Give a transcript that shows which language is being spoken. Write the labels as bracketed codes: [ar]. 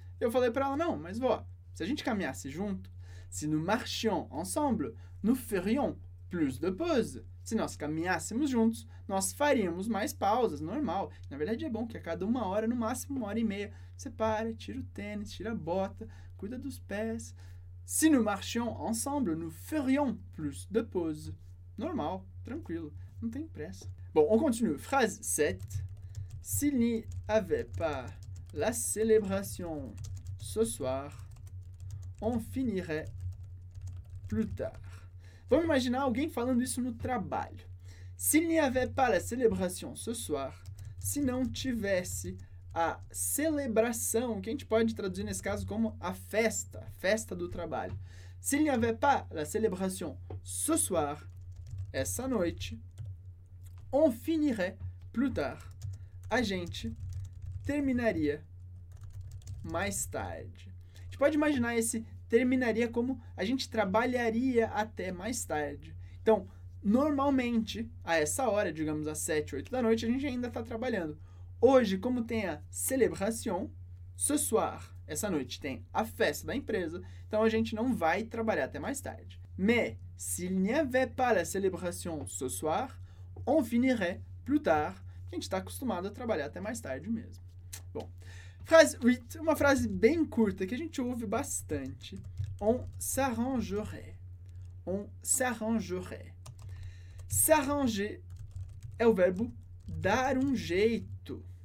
[pt] Eu falei para ela, não, mas vó, se a gente caminhasse junto, [fr] se nous marchions ensemble, nous ferions plus de pauses. [pt] Se nós caminhássemos juntos, nós faríamos mais pausas, normal. Na verdade, é bom que a cada uma hora, no máximo uma hora e meia, você para, tira o tênis, tira a bota, cuida dos pés. [fr] Si nous marchions ensemble, nous ferions plus de pauses. [pt] Normal, tranquilo, não tem pressa. Bom, [fr] on continue. Phrase 7. S'il n'y avait pas la célébration ce soir, on finirait plus tard. [pt] Vamos imaginar alguém falando isso no trabalho. [fr] S'il n'y avait pas la célébration ce soir, [pt] se não tivesse a celebração, que a gente pode traduzir nesse caso como a festa do trabalho. [fr] S'il n'y avait pas la célébration ce soir, [pt] essa noite, [fr] on finirait plus tard. [pt] A gente terminaria mais tarde. A gente pode imaginar esse terminaria como a gente trabalharia até mais tarde. Então, normalmente, a essa hora, digamos às 7, 8 da noite, a gente ainda está trabalhando. Hoje, como tem a celebration, [fr] ce soir, [pt] essa noite tem a festa da empresa, então a gente não vai trabalhar até mais tarde. [fr] Mais, s'il n'y avait pas la célébration ce soir, on finirait plus tard. [pt] A gente está acostumado a trabalhar até mais tarde mesmo. [fr] Bon. Phrase 8, [pt] uma frase bem curta que a gente ouve bastante. [fr] On s'arrangerait. On s'arrangerait. [pt] S'arranger é o verbo dar um jeito.